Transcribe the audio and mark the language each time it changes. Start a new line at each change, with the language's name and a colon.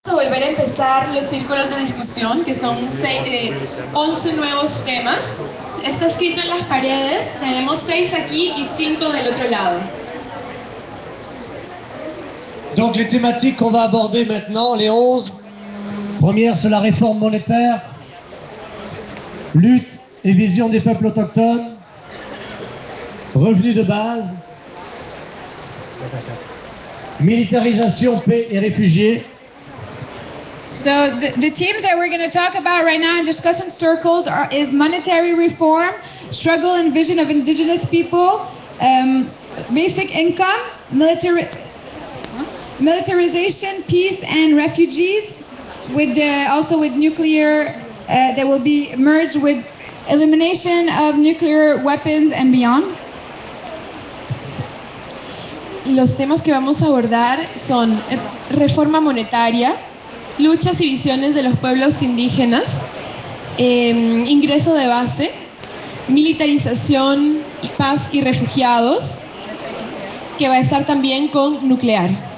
Spanish: Volver a empezar los círculos de discusión, que son 11 nuevos temas. Está escrito en las paredes, tenemos 6 aquí y 5 del otro lado.
French: Donc les thématiques qu'on va aborder maintenant, les 11. Première, c'est la réforme monétaire. Lutte et vision des peuples autochtones. Revenu de base. Militarisation, paix et réfugiés.
English: So the themes that we're going to talk about right now in discussion circles is monetary reform, struggle and vision of indigenous people, basic income, militarization, peace and refugees, also with nuclear that will be merged with elimination of nuclear weapons and beyond.
Spanish: Los temas que vamos a abordar son reforma monetaria, luchas y visiones de los pueblos indígenas, ingreso de base, militarización, paz y refugiados, que va a estar también con nuclear.